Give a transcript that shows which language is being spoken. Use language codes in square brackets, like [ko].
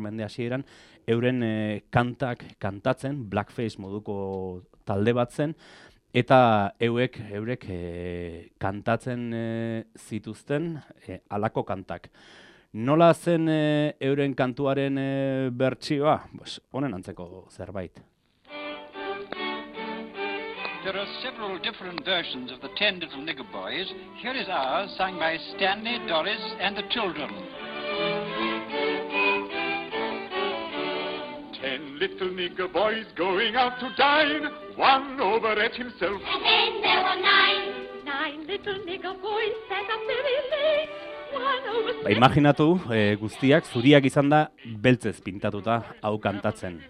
[eu] mende hasieran euren kantak kantatzen, blackface moduko talde bat zen, eta eurek kantatzen zituzten halako kantak. Nola zen euren kantuaren bertsioa? Pues honen antzeko zerbait. [en] There are several different versions of the Ten Little Nigger Boys. Here is ours, sung by Stanley, Doris, and the children. Ten little nigger boys going out to dine. One overate himself. And then there were nine. Nine little nigger boys sat up very late. [eu] Ba, imaginatu, guztiak zuriak izan da beltzez pintatuta hau kantatzen.